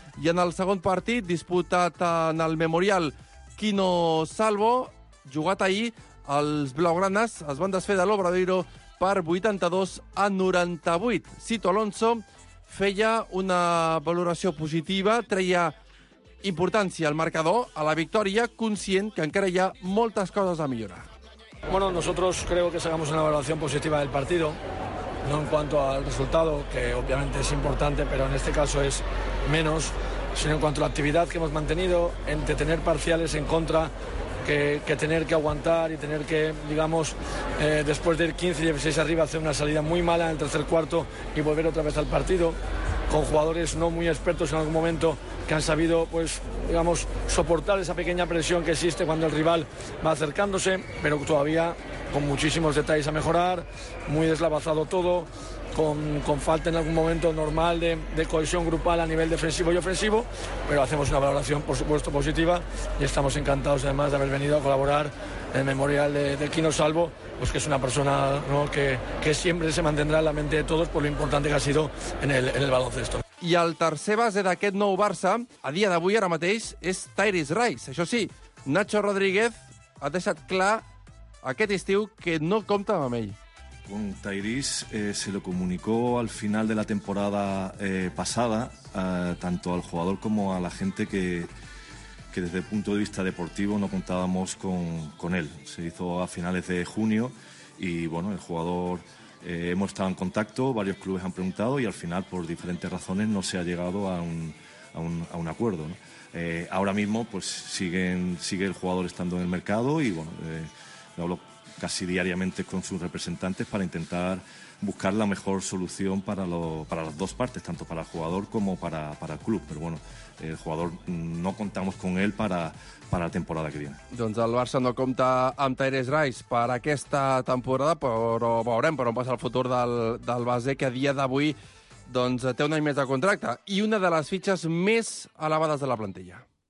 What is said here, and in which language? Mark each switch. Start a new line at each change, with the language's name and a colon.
Catalan: I en el segon partit, disputat en el Memorial Quino Salvo, jugat ahir, els blaugranes es van desfer de l'Obradoiro per 82-98. Sito Alonso feia una valoració positiva, treia importància al marcador, a la victòria, conscient que encara hi ha moltes coses a millorar.
Spanish: Bueno, nosotros creo que sacamos una valoración positiva del partido, no en cuanto al resultado, que obviamente es importante, pero en este caso es menos, sino en cuanto a la actividad que hemos mantenido, entre tener parciales en contra, que tener que aguantar y tener que, digamos, después de ir 15 y 16 arriba, hacer una salida muy mala en el tercer cuarto y volver otra vez al partido, con jugadores no muy expertos en algún momento que han sabido, pues, digamos, soportar esa pequeña presión que existe cuando el rival va acercándose, pero todavía con muchísimos detalles a mejorar, muy deslavazado todo, con falta en algún momento normal de cohesión grupal a nivel defensivo y ofensivo, pero hacemos una valoración, por supuesto, positiva, y estamos encantados, además, de haber venido a colaborar en el Memorial de Quino Salvo, pues que es una persona, ¿no?, que siempre se mantendrá en la mente de todos por lo importante que ha sido en el baloncesto.
Catalan: I el tercer base d'aquest nou Barça, a dia d'avui, ara mateix, és Tyrese Rice. Això sí, Nacho Rodríguez ha deixat clar aquest estiu que no compta amb ell.
Spanish: Con Tyrese se lo comunicó al final de la temporada pasada, tanto al jugador como a la gente, que desde el punto de vista deportivo no contábamos con él. Se hizo a finales de junio y, bueno, el jugador, hemos estado en contacto, varios clubes han preguntado y al final, por diferentes razones, no se ha llegado a un acuerdo, ¿no? Ahora mismo, pues, sigue el jugador estando en el mercado y, bueno, hablo casi diariamente con sus representantes para intentar buscar la mejor solución para las dos partes, tanto para el jugador como para el club. Pero bueno, el jugador, no contamos con él para la temporada que viene.
Catalan: Doncs el Barça no compta amb Tyrese Rice per aquesta temporada, però veurem per on passa el futur del base, que a dia d'avui, doncs, té un any més de contracte i una de les fitxes més elevades de la plantilla.